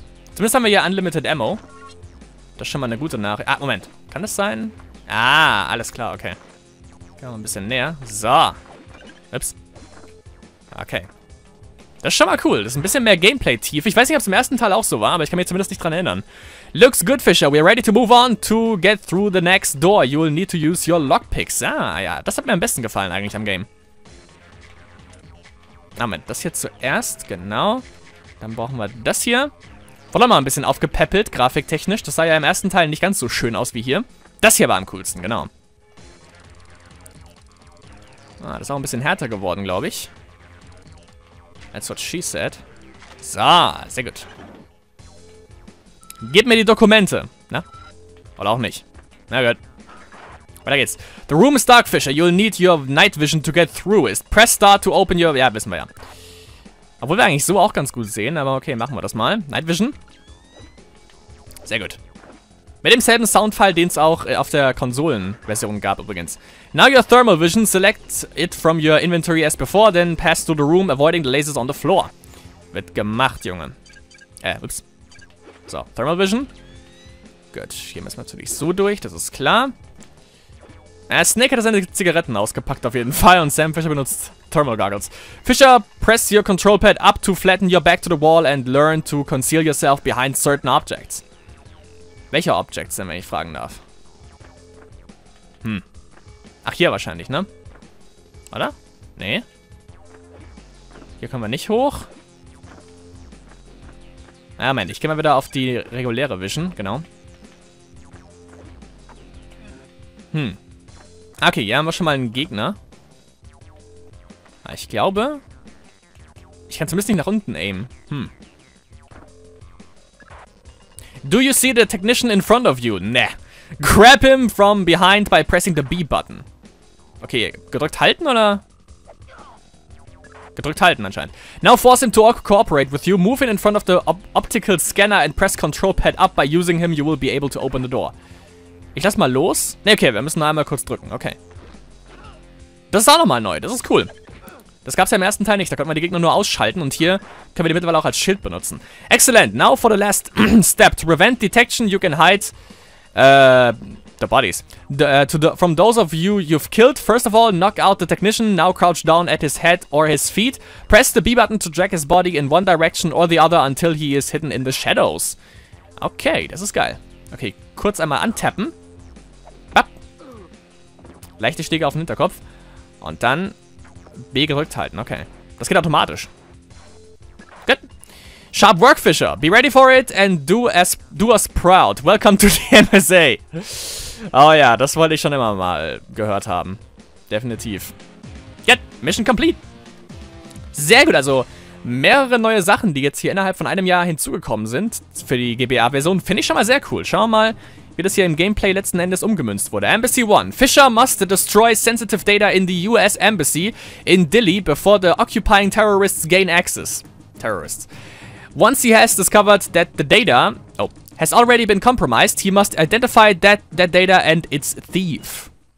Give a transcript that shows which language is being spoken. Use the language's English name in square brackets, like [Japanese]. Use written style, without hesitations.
[German] Zumindest haben wir hier Unlimited Ammo. Das ist schon mal eine gute Nachricht. Ah, Moment. Kann das sein? Ah, alles klar, okay. Gehen wir mal ein bisschen näher. So. Ups. Okay. Das ist schon mal cool. Das ist ein bisschen mehr Gameplay-tief. Ich weiß nicht, ob es im ersten Teil auch so war, aber ich kann mich zumindest nicht dran erinnern. [English] Looks good, Fischer. We're ready to move on to get through the next door. You'll need to use your lockpicks. [German] Ah, ja. Das hat mir am besten gefallen eigentlich am Game. Moment, das hier zuerst, genau. Dann brauchen wir das hier. Wollen wir mal ein bisschen aufgepäppelt, grafiktechnisch. Das sah ja im ersten Teil nicht ganz so schön aus wie hier. Das hier war am coolsten, genau. Ah, das ist auch ein bisschen härter geworden, glaube ich. [English] That's what she said. [German] So, sehr gut. Gib mir die Dokumente. Na? Oder auch nicht. Na gut. Weiter geht's. [English] The room is dark, Fisher. [German] You'll need your night vision to get through it. Press start to open your... Ja, wissen wir ja. Obwohl wir eigentlich so auch ganz gut sehen, aber okay, machen wir das mal. Night vision. Sehr gut. Mit demselben Soundfile, den es auch auf der Konsolenversion gab übrigens. [English] Now your thermal vision, select it from your inventory as before, then pass through the room, avoiding the lasers on the floor. [German] Wird gemacht, Junge. Ups. So, thermal vision. Gut, hier müssen wir natürlich so durch, das ist klar. Snake hat seine Zigaretten ausgepackt auf jeden Fall und Sam Fisher benutzt Thermal Goggles. [English] Fisher, press your control pad up to flatten your back to the wall and learn to conceal yourself behind certain objects. [German] Welcher Object denn, wenn ich fragen darf? Hm. Ach, hier wahrscheinlich, ne? Oder? Nee. Hier können wir nicht hoch. Ah, Moment, ich gehe mal wieder auf die reguläre Vision, genau. Hm. Okay, hier haben wir schon mal einen Gegner. Ich glaube... Ich kann zumindest nicht nach unten aimen. Hm. [English] Do you see the technician in front of you? Nah. Grab him from behind by pressing the B button. [German] Okay, gedrückt halten oder? Gedrückt halten anscheinend. [English] Now force him to cooperate with you. Move in front of the optical scanner and press control pad up. By using him you will be able to open the door. [German] Ich lass mal los. Ne, okay, wir müssen nur einmal kurz drücken. Okay. Das ist auch nochmal neu. Das ist cool. Das gab's ja im ersten Teil nicht. Da konnte man die Gegner nur ausschalten. Und hier können wir die mittlerweile auch als Schild benutzen. [English] Excellent. Now for the last step. To prevent detection, you can hide the bodies. From those of you you've killed, first of all, knock out the technician. Now crouch down at his head or his feet. Press the B button to drag his body in one direction or the other until he is hidden in the shadows. [German] Okay, das ist geil. Okay, kurz einmal antappen. Bap. Leichte Stiege auf den Hinterkopf. Und dann B gedrückt halten. Okay. Das geht automatisch. [English] Good. Sharp work, Fisher. Be ready for it and do us proud. Welcome to the MSA. [German] Oh ja, das wollte ich schon immer mal gehört haben. Definitiv. [English] Good. Mission complete. [German] Sehr gut, also mehrere neue Sachen, die jetzt hier innerhalb von einem Jahr hinzugekommen sind für die GBA-Version, finde ich schon mal sehr cool. Schauen wir mal, wie das hier im Gameplay letzten Endes umgemünzt wurde. [English] Embassy 1. Fisher must destroy sensitive data in the US Embassy in Dili before the occupying terrorists gain access. Terrorists. Once he has discovered that the data has already been compromised, he must identify that data and its thief.